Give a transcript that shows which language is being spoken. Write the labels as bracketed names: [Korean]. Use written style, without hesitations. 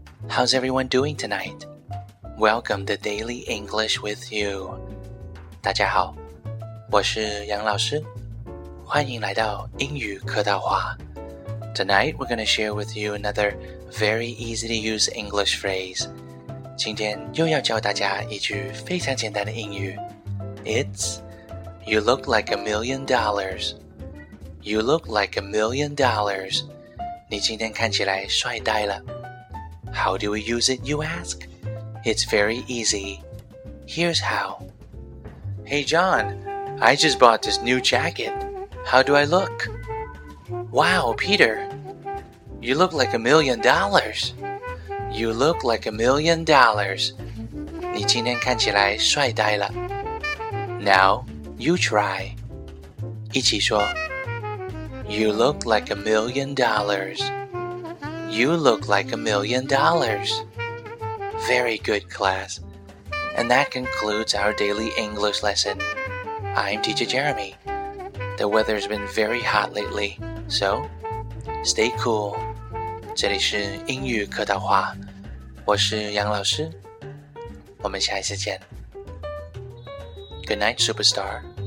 [English] How's everyone doing tonight? Welcome to Daily English with you. [Chinese] 大家好，我是杨老师，欢迎来到英语课道话。 [English] Tonight, we're going to share with you another very easy to use English phrase. [Chinese] 今天又要教大家一句非常简单的英语。 [English] It's, you look like $1 million. You look like $1 million. [Chinese] 你今天看起来帅呆了。 [English] How do we use it, you ask? It's very easy. Here's how. Hey, John, I just bought this new jacket. How do I look? Wow, Peter, you look like $1 million. You look like $1 million. [Chinese] 你今天看起来帅呆了。 [English] Now, you try. [Chinese] 一起说。 [English] You look like $1 million. You look like $1 million. Very good, class. And that concludes our daily English lesson. I'm Teacher Jeremy. The weather's been very hot lately, so stay cool. [Chinese] 这里是英语课道话，我是杨老师。我们下一次见。 [English] Good night, superstar.